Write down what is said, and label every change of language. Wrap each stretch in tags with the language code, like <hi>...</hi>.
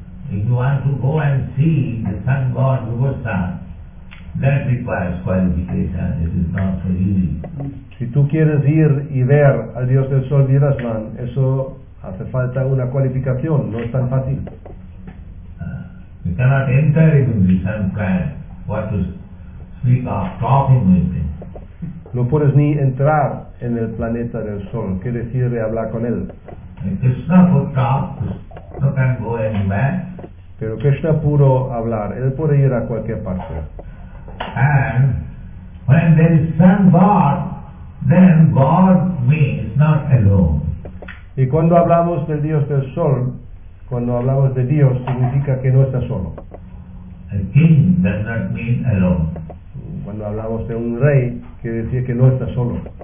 <en>If you want to go and see the sun god Rupa, that requires qualification. It is not so easy.</en> <es>Si tú quieres ir y ver al Dios del Sol Virasman, eso hace falta una cualificación. No es tan fácil.</es> <en>You cannot enter into the sun god. What to speak of talking with him.</en> <es>No puedes ni entrar en el planeta del Sol. ¿Qué decir de hablar con él? Krishna puede hablar,</es> <en>Krishna can go anywhere.</en> <es>Pero Krishna pudo hablar, él puede ir a cualquier parte.</es> <en>And when there is Sun God, then God means not alone.</en> <es>Y cuando hablamos del Dios del Sol, cuando hablamos de Dios, significa que no está solo.</es> <en>A king does not mean alone.</en> <es>Cuando hablamos de un rey, quiere decir que no está solo.</es>